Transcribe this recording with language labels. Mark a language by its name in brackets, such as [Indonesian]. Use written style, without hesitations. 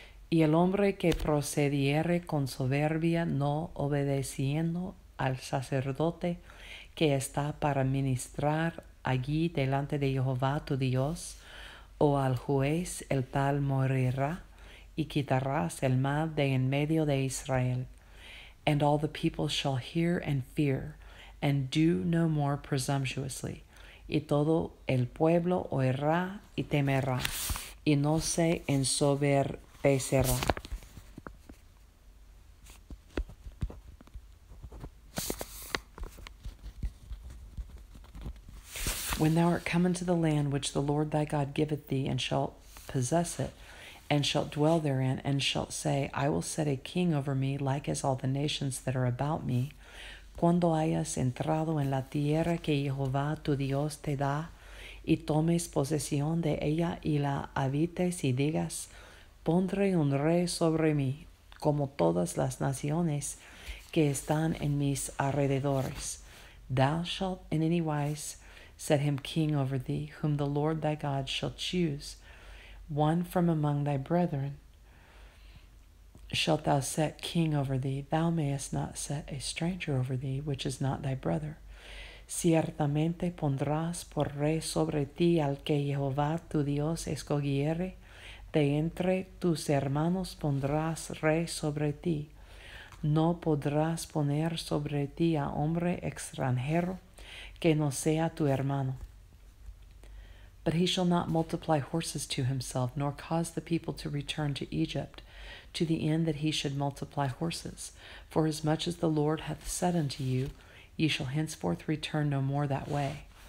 [Spanish] Y el hombre que procediere con soberbia, no obedeciendo al sacerdote que está para ministrar allí delante de Jehová tu Dios, o al juez, el tal morirá, y quitarás el mal de en medio de Israel. [English] And all the people shall hear and fear, and do no more presumptuously. [Spanish] Y todo el pueblo oirá y temerá, y no se ensoberbecerá. [English] When thou art come into the land which the Lord thy God giveth thee, and shalt possess it, and shalt dwell therein, and shalt say, I will set a king over me, like as all the nations that are about me. [Spanish] Cuando hayas entrado en la tierra que Jehová tu Dios te da, y tomes posesión de ella, y la habites, y digas, pondré un rey sobre mí, como todas las naciones que están en mis alrededores. [English] Thou shalt in any wise set him king over thee, whom the Lord thy God shall choose, one from among thy brethren. Shalt thou set king over thee, thou mayest not set a stranger over thee, which is not thy brother. [Spanish] Ciertamente pondrás por rey sobre ti al que Jehová tu Dios escogiere, de entre tus hermanos pondrás rey sobre ti. No podrás poner sobre ti a hombre extranjero que no sea tu hermano. [English] But he shall not multiply horses to himself, nor cause the people to return to Egypt, to the end that he should multiply horses. For as much as the Lord hath said unto you, ye shall henceforth return no more that way.